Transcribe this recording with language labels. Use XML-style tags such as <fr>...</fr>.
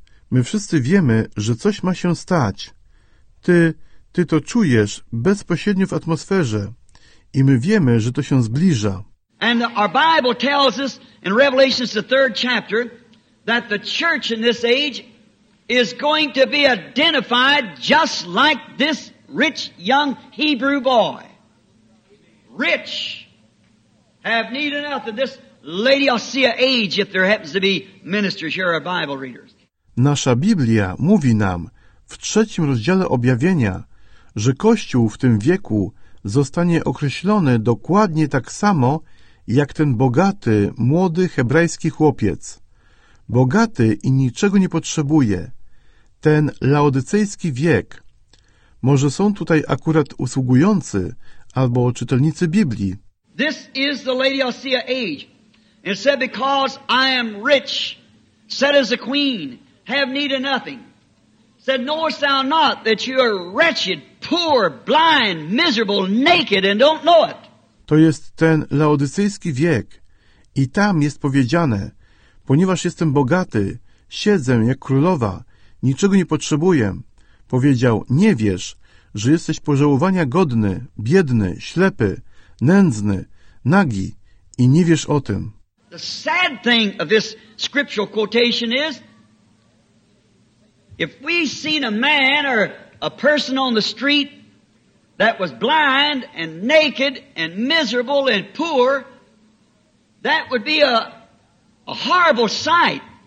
<pl>My wszyscy wiemy, że coś ma się stać. Ty to czujesz bezpośrednio w atmosferze. I my wiemy, że to się zbliża.</pl> <en>And our Bible tells us in Revelation, the third chapter, that the church in this age is going to be identified just like this rich young Hebrew boy. Rich. Have need of nothing. This lady will see an age if there happens to be ministers here or Bible readers.</en> <pl>Nasza Biblia mówi nam w trzecim rozdziale objawienia, że Kościół w tym wieku zostanie określony dokładnie tak samo jak ten bogaty, młody, hebrajski chłopiec. Bogaty i niczego nie potrzebuje. Ten laodycejski wiek. Może są tutaj akurat usługujący albo czytelnicy Biblii.</pl> <en>This is the Laodicea age. It said, because I am rich, said as a queen, have need of nothing. Said, knowest thou not that you are wretched, poor, blind, miserable, naked, and don't know it.</en> <pl>To jest ten laodycejski wiek. I tam jest powiedziane, ponieważ jestem bogaty, siedzę jak królowa, niczego nie potrzebuję. Powiedział, nie wiesz, że jesteś pożałowania godny, biedny, ślepy, nędzny, nagi i nie wiesz o tym.</pl> <en>The sad thing of this scriptural quotation is, if we seen a man or a person on the street that was blind and naked and miserable and poor, that would be a horrible sight.</en>